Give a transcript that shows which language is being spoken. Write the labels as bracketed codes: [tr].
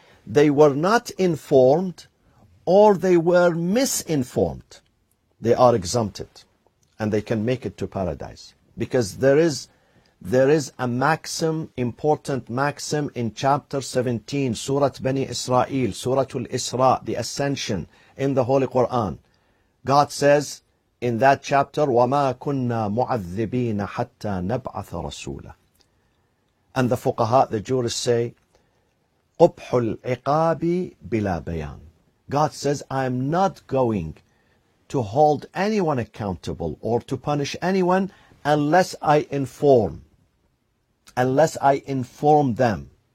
[en] They were not informed or they were misinformed. They are exempted and they can make it to paradise because there is a maxim, important maxim in chapter 17, Surah Bani Israel, Surah Al-Isra, the Ascension in the Holy Quran. God says in that chapter, [ar] وَمَا كُنَّا مُعَذِّبِينَ حَتَّى نَبْعَثَ رَسُولًا. [en] And the fuqaha, the jurists say, [ar] قُبْحُ الْعِقَابِ بِلَا بَيَانٍ. [en] God says, I am not going to hold anyone accountable or to punish anyone unless I inform them.